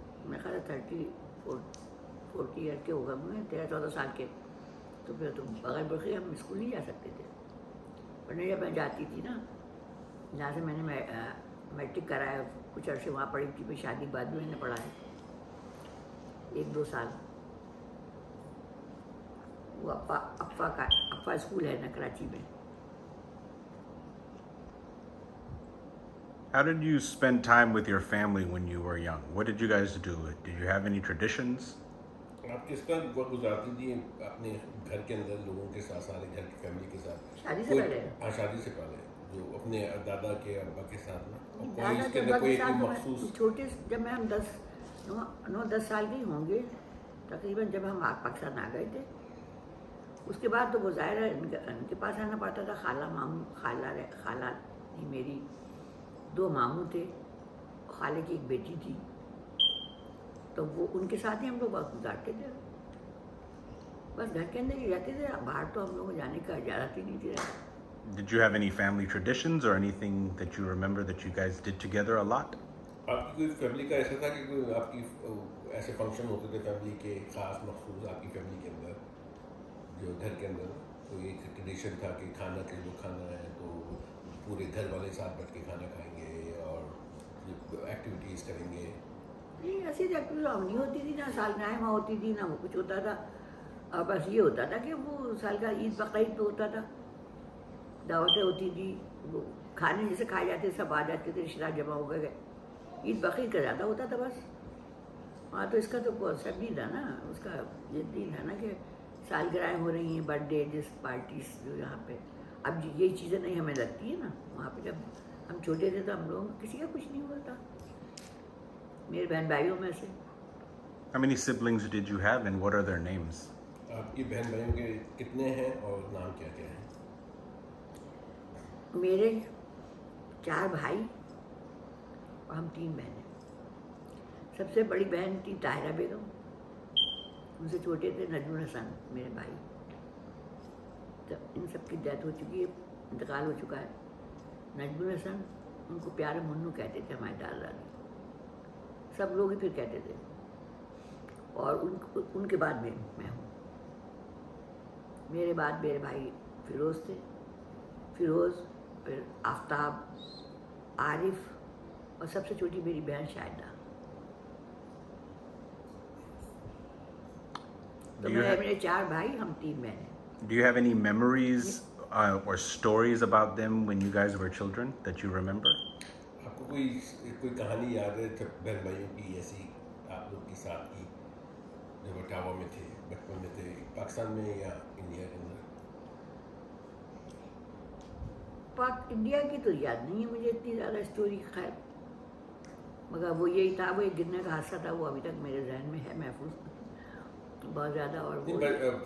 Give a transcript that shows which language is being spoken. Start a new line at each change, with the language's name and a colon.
Hindi: मेरे ख्याल 30-40 ईयर के हो गए मैं 13-14 साल के तो फिर तो बगैर बुरके हम स्कूल नहीं जा सकते थे पढ़ने जब मैं जाती थी ना जहाँ से मैंने मैट्रिक कराया कुछ अर्से वहाँ पढ़ी थी फिर शादी के बाद भी मैंने पढ़ाया एक दो साल वो अप्पा स्कूल है ना कराची में
English: How did you spend time with your family when you were young? What did you guys do? Did you have any traditions?
Hindi: आप किस तरह वक्त गुजारती थी अपने घर के अंदर लोगों के साथ सारे घर की फैमिली के साथ शादी से पहले हाँ शादी से पहले जो अपने दादा के अब्बा के साथ ना कोई इसके अंदर कोई मखसूस छोटे जब मैं हम 9-10 साल के होंगे तकरीबन जब हम पाकिस्तान आ गए थे उसके बाद तो वो ज़ाहिर है इनके पास आना पड़ता था खाला मामू खाला थी मेरी दो मामू थे खाले की एक बेटी थी तो वो उनके साथ ही हम लोग वक्त गुजारते थे बस घर के अंदर ही रहते थे बाहर तो हम लोग जाने का इजाज़त ही नहीं थी
English: Did you have any family traditions or anything that you remember that you guys did together a lot?
Hindi: आपकी कोई फैमिली का ऐसा था कि कोई आपकी ऐसे फंक्शन होते थे फैमिली के खास मखसूस आपकी फैमिली के अंदर जो घर के अंदर कोई एक ट्रेडिशन था कि खाना के लोग खाना है तो पूरे घर वाले साथ बैठ के खाना खाएंगे और एक्टिविटीज़ करेंगे नहीं ऐसी एक्टिविटी नहीं होती थी ना सालगिरह होती थी ना वो कुछ होता था और बस ये होता था कि वो साल का ईद बकरीद पे होता था दावतें होती थी वो खाने जैसे खाए जाते सब आ जाते थे रिश्तेदार जमा हो गए ईद बकरीद का ज़्यादा होता था बस हाँ तो इसका तो कॉन्सेप्ट नहीं था ना उसका ये नहीं था ना कि सालगिरह हो रही हैं बर्थडे जिस पार्टीज जो यहाँ पे अब ये चीज़ें नहीं हमें लगती है ना वहाँ पर जब हम छोटे थे तो हम लोगों को किसी का कुछ नहीं हुआ था मेरे बहन भाइयों में से
English: How many siblings did you have and what are their names?
Hindi: आपकी बहन भाइयों के कितने हैं और नाम क्या क्या हैं मेरे चार भाई और हम तीन बहन हैं सबसे बड़ी बहन थी ताहिरा बेगम उनसे छोटे थे नजमुल हसन मेरे भाई तब इन सब की डेथ हो चुकी है इंतकाल हो चुका है नजमुल हसन उनको प्यार मुन्नू कहते थे हमारे दादाजी सब लोग ही फिर कहते थे और उनके बाद मैं हूँ मेरे बाद मेरे भाई फिरोज़ थे फिरोज़ फिर आफ्ताब आरिफ और सबसे छोटी मेरी बहन शायदा तो मेरे चार भाई हम तीन बहन हैं
English: Do you have any memories or stories about them when you guys were children that you remember?
Hindi: आपको कोई कहानी याद है जब बहन भाइयों की ऐसी आप लोग के साथ की जब ओटावा में थे बचपन में थे पाकिस्तान में या इंडिया के अंदर इंडिया की तो याद नहीं है मुझे इतनी ज़्यादा स्टोरी खैर मगर वो यही था वो एक गिरने का हादसा था वो अभी तक मेरे जहन में है महफूज बहुत ज़्यादा और